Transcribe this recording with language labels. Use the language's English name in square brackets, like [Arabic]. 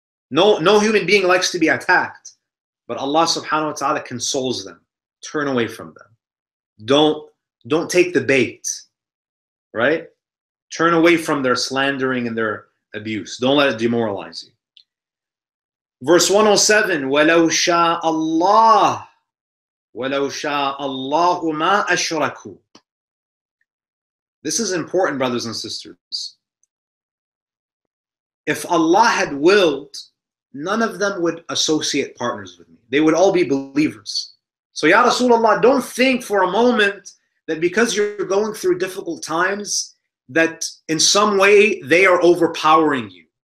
[English] No human being likes to be attacked. But Allah subhanahu wa ta'ala consoles them. Turn away from them. Don't take the bait, right? Turn away from their slandering and their abuse. Don't let it demoralize you. Verse 107, [Arabic] وَلَوْ شَاءَ اللَّهُ مَا أَشْرَكُوا. [English] This is important, brothers and sisters. If Allah had willed, none of them would associate partners with me. They would all be believers. So Ya Rasulullah, don't think for a moment that because you're going through difficult times, that in some way they are overpowering you.